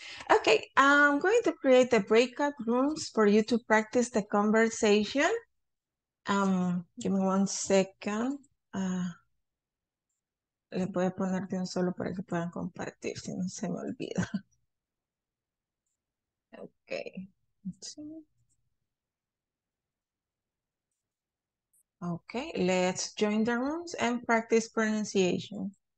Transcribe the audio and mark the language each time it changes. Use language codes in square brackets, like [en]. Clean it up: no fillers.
[en] Okay, I'm going to create the breakout rooms for you to practice the conversation. Give me 1 second. [es] Le voy a poner de un solo para que puedan compartir, si no se me olvida. Okay. [en] Okay, let's join the rooms and practice pronunciation.